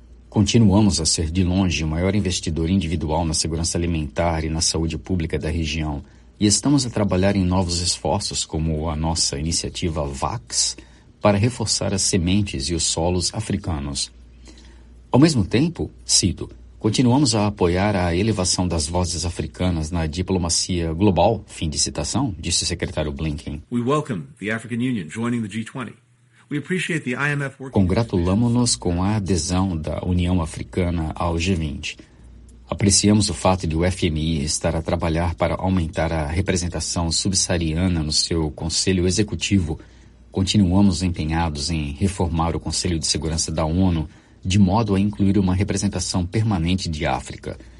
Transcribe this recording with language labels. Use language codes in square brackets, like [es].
[pt] Continuamos a ser, de longe, o maior investidor individual na segurança alimentar e na saúde pública da região, e estamos a trabalhar em novos esforços, como a nossa iniciativa VAX, para reforçar as sementes e os solos africanos. Ao mesmo tempo, cito, continuamos a apoiar a elevação das vozes africanas na diplomacia global, fim de citação, disse o secretário Blinken. [en] We welcome the African Union joining the G20. We appreciate the IMF working. [pt] Congratulamos-nos com a adesão da União Africana ao G20. Apreciamos o fato de o FMI estar a trabalhar para aumentar a representação subsaariana no seu Conselho Executivo. Continuamos empenhados em reformar o Conselho de Segurança da ONU, de modo a incluir uma representação permanente de África.